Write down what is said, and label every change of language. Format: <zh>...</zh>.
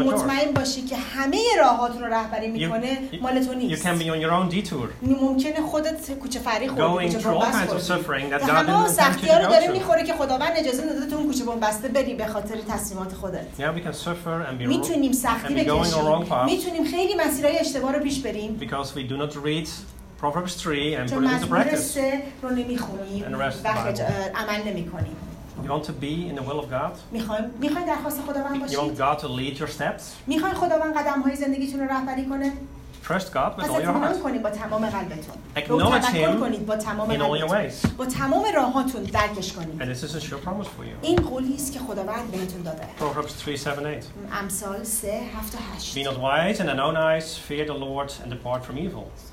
<fa>مطمئن باشی که همه راهاتون رو رهبری میکنه مال تو نیست.</fa> <en>You can be on your own detour.</en> <fa>ممکنه خودت کوچه فری خودت رو بسپاری. همه سختی ها رو داره میخوره که خداوند اجازه نداده تو اون کوچه بنبسته بری به خاطر تصمیمات خودت.</fa> <en>Yeah, we can suffer and be</en> <fa>میتونیم سختی بکشیم. میتونیم خیلی مسیرهای اشتباه رو پیش بریم.</fa> <en>Because we do not read Proverbs 3 and put it into practice.</en> <fa>رو نمیخونیم و عمل نمیکنیم.</fa> <en>You want to be in the will of God?</en> <fa>میخوای درخواست خداوند باشی؟</fa> <en>You want God to lead your steps?</en> <fa>میخوای خداوند قدم‌های زندگیتون رو رهبری کنه؟</fa> <en>Trust God with all your heart.</en> <fa>با تمام قلبتون.</fa> <en>Acknowledge him in all your ways.</en> <fa>با تمام راهاتون درکش کنید.</fa> <en>And this is a sure promise for you.</en> <fa>این قولیست که خداوند بهتون داده.</fa> <en>Proverbs 3:7-8.</en> <fa>امثال 3:7-8.</fa> <en>Be not wise in thine own eyes, fear the Lord and depart from evil.</en>